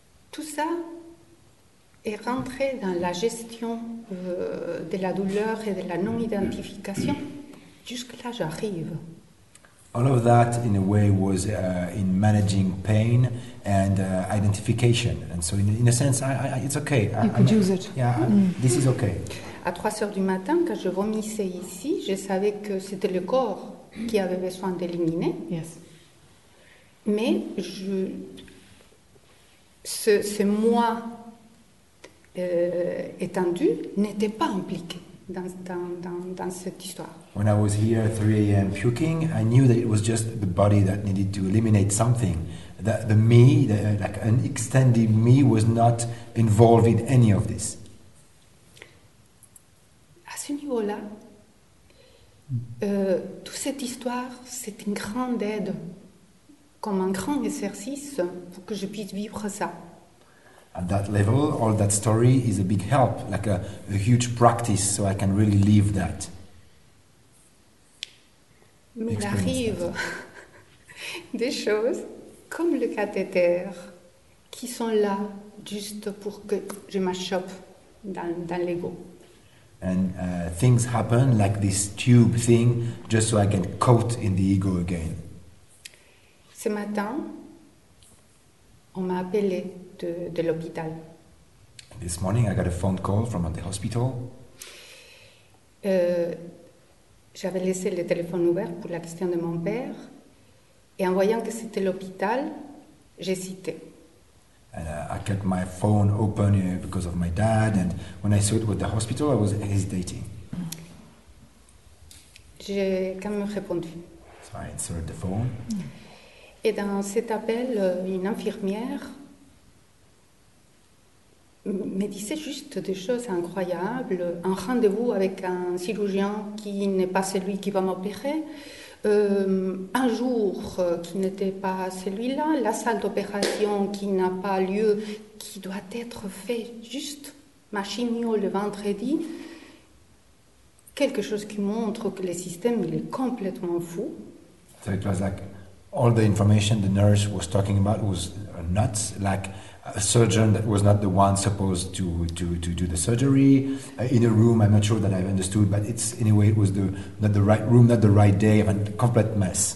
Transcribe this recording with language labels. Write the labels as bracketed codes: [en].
[fr] Tout ça est rentré dans la gestion de la douleur et de la non-identification. Jusque-là, j'arrive. [en] All of that, in a way, was in managing pain and identification. And so, in a sense, I it's okay. You could use it. Yeah, this is okay. [fr] À 3h du matin, quand je vomissais ici, je savais que c'était le corps qui avait besoin d'éliminer. [en] Yes. [fr] Mais ce moi étendu n'était pas impliqué dans cette histoire. [en] When I was here at 3 a.m. puking, I knew that it was just the body that needed to eliminate something. That the me, like an extended me, was not involved in any of this. [fr] À ce niveau-là, toute cette histoire, c'est une grande aide. Comme un grand exercice pour que je puisse vivre ça. [en] At that level, all that story is a big help, like a huge practice, so I can really live that. [fr] Mais il arrive des choses comme le cathéter qui sont là juste pour que je m'achoppe dans l'ego. [en] And things happen like this tube thing, just so I can coat in the ego again. [fr] Ce matin, on m'a appelé de l'hôpital. [en] This morning, I got a phone call from the hospital. [fr] j'avais laissé le téléphone ouvert pour la question de mon père. Et en voyant que c'était l'hôpital, j'hésitais. [en] And I kept my phone open because of my dad, and when I saw it was the hospital, I was hesitating. [fr] J'ai quand même répondu. [en] So I answered the phone. [fr] Et dans cet appel, une infirmière me disait juste des choses incroyables. Un rendez-vous avec un chirurgien qui n'est pas celui qui va m'opérer. Un jour qui n'était pas celui-là, la salle d'opération qui n'a pas lieu, qui doit être fait juste ma chimio le vendredi, quelque chose qui montre que le système il est complètement fou. [en] So it was like all the information the nurse was talking about was nuts, like a surgeon that was not the one supposed to do the surgery in a room. I'm not sure that I've understood, but it's anyway, it was not the right room, not the right day, and complete mess.